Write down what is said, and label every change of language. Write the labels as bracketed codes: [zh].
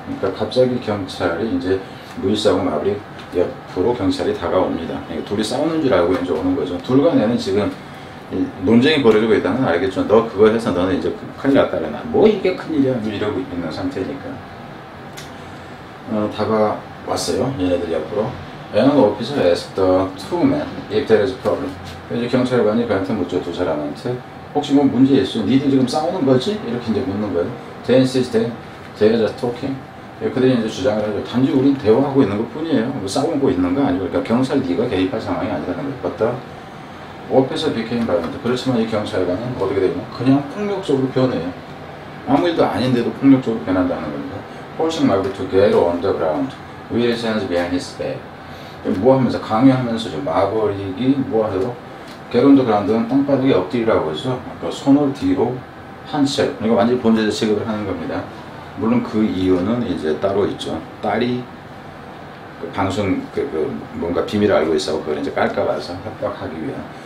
[ko] 그러니까 갑자기 경찰이 이제 루이스하고 마블이 옆으로 경찰이 다가옵니다. 그러니까 둘이 싸우는 줄 알고 이제 오는 거죠. 둘 간에는 지금 논쟁이 벌어지고 있다는 건 알겠죠. 너 그걸 해서 너는 이제 큰일 났다. 나 뭐 이게 큰일이야 이러고 있는 상태니까. 다가왔어요. 얘네들 옆으로. [en] And officer asked the two men if there is a problem. [ko] 이제 경찰관이 그한테 묻죠. 두 사람한테. 혹시 뭐 문제 있어? 니들 지금 싸우는 거지? 이렇게 이제 묻는 거예요. [en] They insisted. They are just talking. [ko] 그들이 이제 주장을 하죠. 단지 우린 대화하고 있는 것 뿐이에요. 뭐 싸우고 있는 거 아니고. 그러니까 경찰 니가 개입할 상황이 아니라는 거예요. 맞다. [en] Officer became violent. [ko] 그렇지만 이 경찰관은 어떻게 되냐? 그냥 폭력적으로 변해요. 아무 일도 아닌데도 폭력적으로 변한다는 겁니다. [en] Forcing Marvel to get on the ground with his hands behind his back. [ko] 뭐 하면서 강요하면서 지금 마블이 뭐 하죠? [en] Get on the ground [ko] 는 땅바닥에 엎드리라고 해서 그러니까 손을 뒤로 한 채, 그러니까 완전히 본제자 취급을 하는 겁니다. 물론 그 이유는 이제 따로 있죠. 딸이 그 방송 그 뭔가 비밀을 알고 있어서 그걸 이제 깔까 봐서 협박하기 위한.